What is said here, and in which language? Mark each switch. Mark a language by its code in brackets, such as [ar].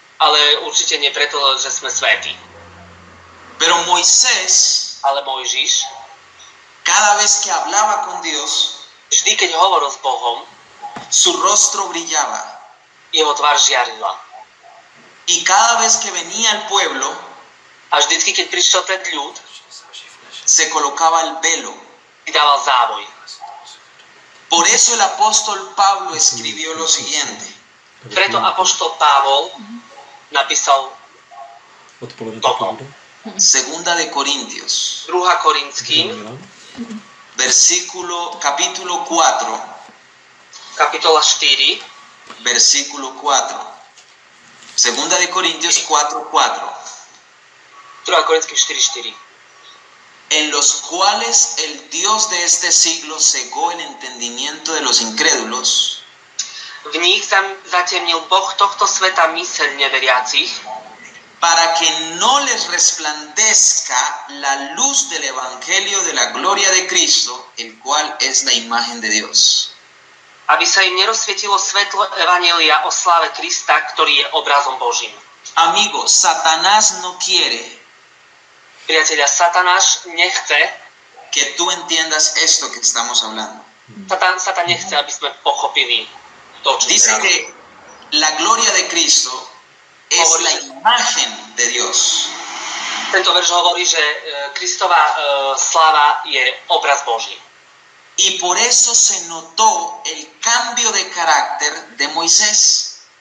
[sk] Ale určite nie preto, že sme svätí. [es] Pero Moisés, [sk] ale Mojžiš, [es] cada vez que hablaba con Dios, [sk] Vždy, keď hovoril s Bohom, [es] su rostro brillaba. [sk] Jeho tvár žiarila. [es] Y cada vez que venía al pueblo, [sk] a vždycky, keď prišiel pred ľud, [es] se colocaba el velo. [sk] Vydával závoj. [es] Por eso el apóstol Pablo escribió lo siguiente. [sk] Preto apóstol Pavol napísal toto. [es] Segunda de Corintios. [sk] Druhá Korintským. [es] Versículo, capítulo 4. [sk] Kapitola 4. [es] Versículo 4. Segunda de Corintios 4:4. [sk] Druhá Korintským 4:4. [es] En los cuales el Dios de este siglo cegó el entendimiento de los incrédulos. [sk] V nich zatemnil Boh tohto sveta myseľ neveriacich. [es] Para que no les resplandezca la luz del evangelio de la gloria de Cristo, el cual es la imagen de Dios. [sk] Aby sa im nerozsvietilo svetlo evanjelia o sláve Krista, ktorý je obrazom Božím. [es] Amigo, Satanás no quiere. [sk] Priateľa, Satanás nechce, [es] que tú entiendas esto que estamos hablando. [sk] Satan nechce, aby sme pochopili to, čo [es] dice que la gloria de Cristo es la imagen de Dios. [sk] Tento verš hovorí, že Kristova sláva je obraz Boží. [es] Y por eso se notó el cambio de carácter de Moisés.